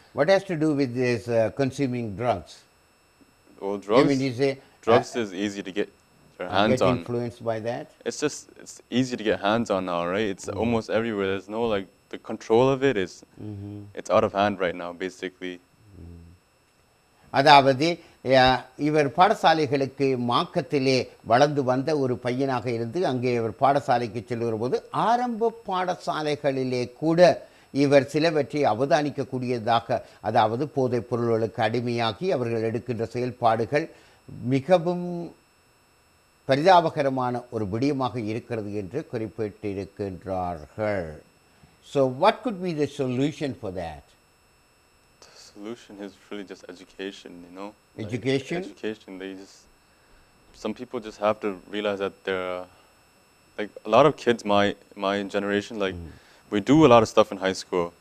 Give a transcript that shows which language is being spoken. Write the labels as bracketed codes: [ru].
[en] What has to do with this consuming drugs? Well, drugs, you mean you say, drugs is easy to get your hands on. Get influenced by that? It's just, it's easy to get hands on now, right? It's mm-hmm. almost everywhere. There's no, like, the control of it is, mm-hmm. it's out of hand right now, basically. [ta] அதாவது இவர் பாடசாலைகளுக்கு மாக்கத்திலே வளர்ந்து வந்த ஒரு பையனாக இருந்து அங்கே இவர் பாடசாலைக்கு செல்லுகிற போது ஆரம்ப பாடசாலைகளிலே கூட இவர் சிலவற்றை அவதானிக்கக்கூடியதாக, அதாவது போதைப் பொருள்களுக்கு அடிமையாகி அவர்கள் எடுக்கின்ற செயல்பாடுகள் மிகவும் பரிதாபகரமான ஒரு விடயமாக இருக்கிறது என்று குறிப்பிட்டிருக்கின்றார்கள். [en] So what could be the solution for that? The solution is really just education, you know? Education? Like education. They just, some people just have to realize that they're, like a lot of kids my generation, like, mm-hmm. we do a lot of stuff in high school,